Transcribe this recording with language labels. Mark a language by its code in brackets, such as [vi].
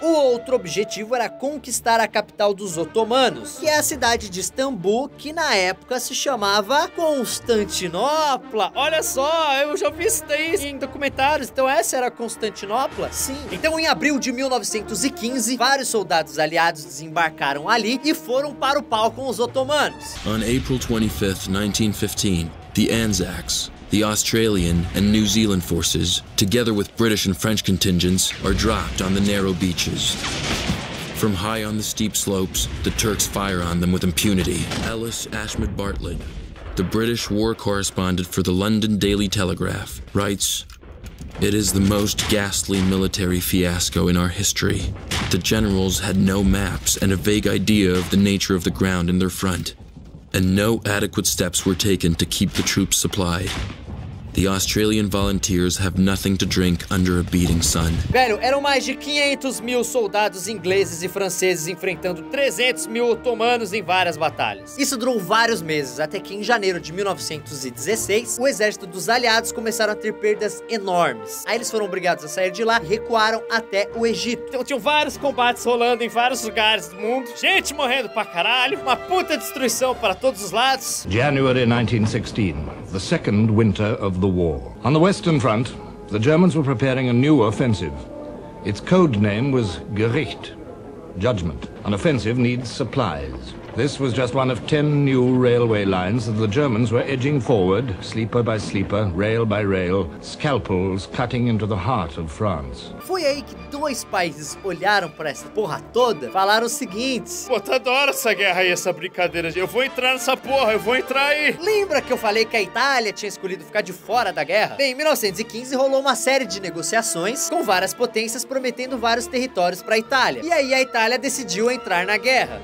[pt] O outro objetivo era conquistar a capital dos otomanos, que é a cidade de Istambul, que na época se chamava Constantinopla. Olha só, eu já vi isso daí em documentários. Então essa era Constantinopla? Sim. Então em abril de 1915, vários soldados aliados desembarcaram ali e foram para o pau com os otomanos. [en] On April 25th, 1915, the Anzacs, the Australian and New Zealand forces, together with British and French contingents, are dropped on the narrow beaches. From high on the steep slopes, the Turks fire on them with impunity. Ellis Ashmead Bartlett, the British war correspondent for the London Daily Telegraph, writes, "It is the most ghastly military fiasco in our history. The generals had no maps and a vague idea of the nature of the ground in their front. And no adequate steps were taken to keep the troops supplied. The Australian volunteers have nothing to drink under a beating sun." [pt] Velho, eram mais de 500 mil soldados ingleses e franceses enfrentando 300 mil otomanos em várias batalhas. Isso durou vários meses, até que em janeiro de 1916, o exército dos aliados começaram a ter perdas enormes. Aí eles foram obrigados a sair de lá e recuaram até o Egito. Então tinham vários combates rolando em vários lugares do mundo, gente morrendo pra caralho, uma puta destruição para todos os lados. [en] January 1916. The second winter of the war. On the Western Front, the Germans were preparing a new offensive. Its code name was Gericht, judgment. An offensive needs supplies. This was just one of 10 new railway lines that the Germans were edging forward, sleeper by sleeper, rail by rail, scalpels cutting into the heart of France. [pt] Foi aí que dois países olharam pra essa porra toda, falaram o seguinte: pô, tá da hora essa guerra aí, essa brincadeira. Eu vou entrar nessa porra, eu vou entrar aí. Lembra que eu falei que a Itália tinha escolhido ficar de fora da guerra? Bem, em 1915 rolou uma série de negociações com várias potências prometendo vários territórios pra Itália. E aí a Itália decidiu entrar na guerra.